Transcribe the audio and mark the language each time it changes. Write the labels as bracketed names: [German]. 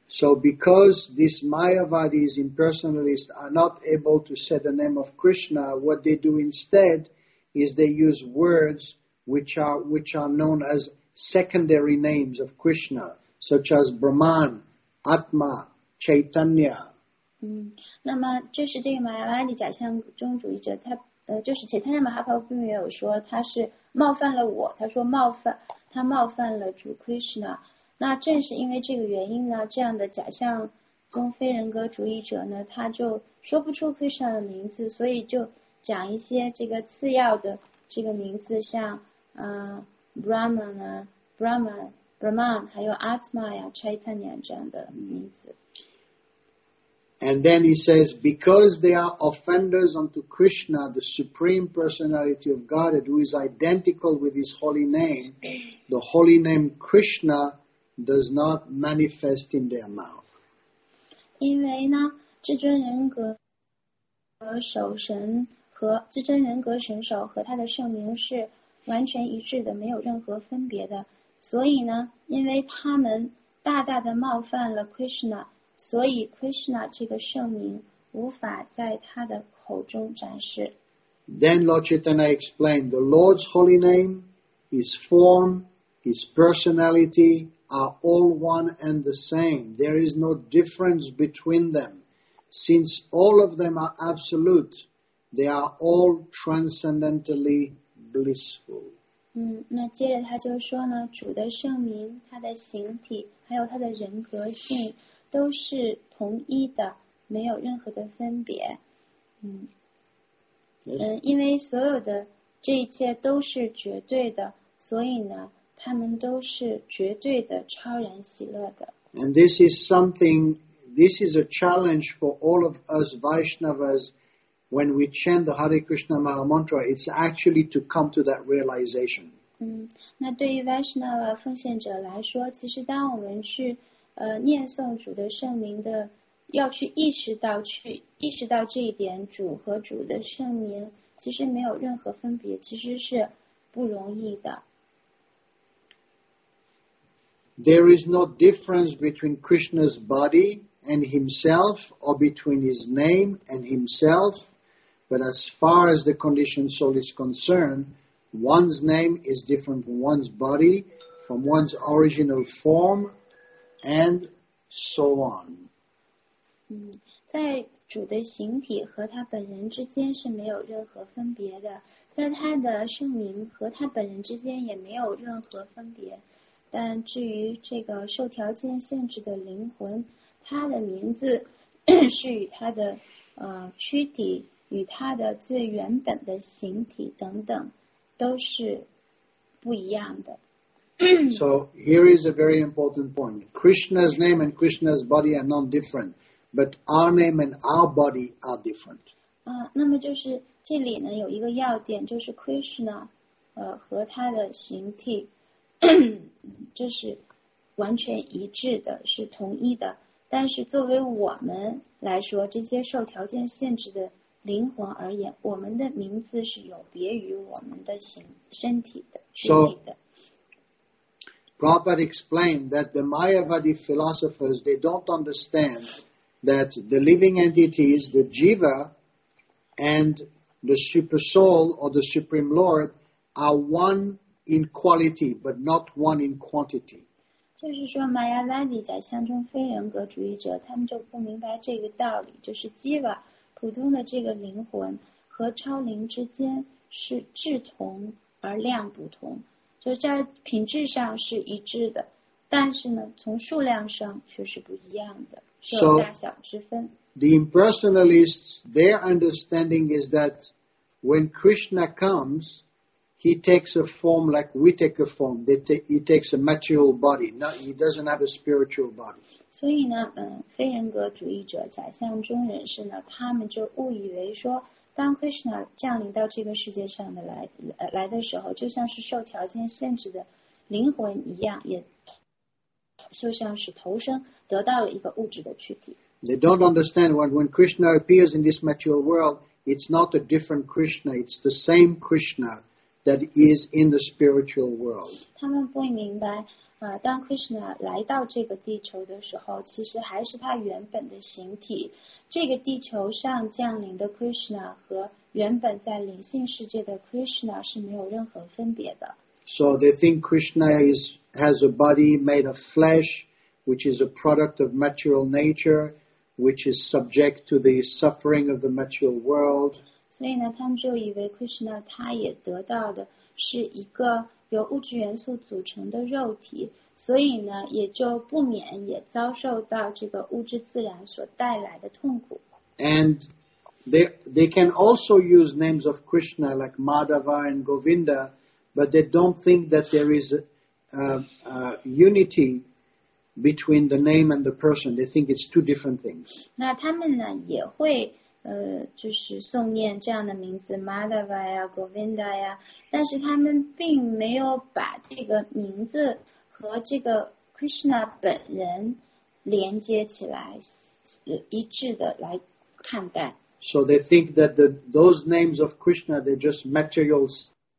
[English] So because these Mayavadis impersonalists are not able to say the name of Krishna, what they do instead is they use words which are known as secondary names of Krishna, such as Brahman, Atma, Chaitanya. [Chinese] 那么就是这个 Mayavadi 假象中主义者，他就是 Chaitanya Mahaprabhu 并没有说他是冒犯了我，他说他冒犯了主 Krishna。那正是因为这个原因呢，这样的假象中非人格主义者呢，他就说不出 Krishna 的名字，所以就讲一些这个次要的这个名字，像Brahman 啊 Brahman 还有 Atma 呀 Chaitanya 这样的名字。 [English] And then he says, because they are offenders unto Krishna, the Supreme Personality of Godhead, who is identical with his holy name, the holy name Krishna does not manifest in their mouth. [Chinese] 因为呢，至尊人格和守神和至尊人格神守和他的圣名是完全一致的，没有任何分别的。所以呢，因为他们大大的冒犯了 Krishna。所以 Krishna 这个圣名无法在他的口中展示。 [English] Then Lord Chaitanya explained, the Lord's holy name, his form, his personality are all one and the same. There is no difference between them. Since all of them are absolute, they are all transcendentally blissful. [Chinese] 那接着他就说呢，主的圣名、他的形体还有他的人格性都是同一的，没有任何的分别。因为所有的这一切都是绝对的，所以呢，他们都是绝对的超然喜乐的。 [English] And this is something, this is a challenge for all of us Vaishnavas when we chant the Hare Krishna Maha Mantra, it's actually to come to that realization. [Chinese] 那对于 Vaishnava 奉献者来说，其实当我们去念诵主的圣名的，要去意识到，去意识到这一点，主和主的圣名其实没有任何分别，其实是不容易的。 [English] There is no difference between Krishna's body and himself, or between his name and himself, but as far as the conditioned soul is concerned, one's name is different from one's body, from one's original form. And so on. [Chinese] 在主的形体和他本人之间是没有任何分别的，在他的圣名和他本人之间也没有任何分别。但至于这个受条件限制的灵魂，他的名字是与他的躯体、与他的最原本的形体等等，都是不一样的。 [English] So here is a very important point. Krishna's name and Krishna's body are not different, but our name and our body are different. [Chinese] 那么就是这里呢有一个要点，就是 Krishna， 和他的形体，这是完全一致的，是同一的。但是作为我们来说，这些受条件限制的灵魂而言，我们的名字是有别于我们的身体的， [English] Prabhupada explained that the Mayavadi philosophers, they don't understand that the living entities, the Jiva and the Super Soul or the Supreme Lord are one in quality, but not one in quantity. [Chinese] 就是说 Mayavadi 假象中非人格主义者，他们就不明白这个道理，就是 Jiva 普通的这个灵魂和超灵之间是质同而量不同。就在品质上是一致的，但是呢，从数量上却是不一样的，是有大小之分。 [English] The impersonalists, their understanding is that when Krishna comes, he takes a form like we take a form. He takes a material body. No, he doesn't have a spiritual body. [Chinese] 所以呢，非人格主义者、假象中人士呢，他们就误以为说。当 Krishna 降临到这个世界上的 来的时候，就像是受条件限制的灵魂一样，也就像是投生得到了一个物质的躯体。 [English] They don't understand when Krishna appears in this material world, It's not a different Krishna. It's the same Krishna that is in the spiritual world. [Chinese] 他们不明白，当 Krishna 来到这个地球的时候，其实还是他原本的形体。这个地球上降临的 Krishna 和原本在灵性世界的 Krishna 是没有任何分别的。 [English] So they think Krishna has a body made of flesh, which is a product of material nature, which is subject to the suffering of the material world. [Chinese] 所以呢，他们就以为 Krishna 他也得到的是一个由物质元素组成的肉体，所以呢，也就不免也遭受到这个物质自然所带来的痛苦。 [English] And they can also use names of Krishna like Madhava and Govinda. But they don't think that there is a unity between the name and the person. They think it's two different things. [Chinese] 那他们呢也会就是诵念这样的名字 Madhava 呀 Govinda 呀，但是他们并没有把这个名字和这个 Krishna 本人连接起来，一致的来看待。 [English] So they think that those names of Krishna, they're just materials.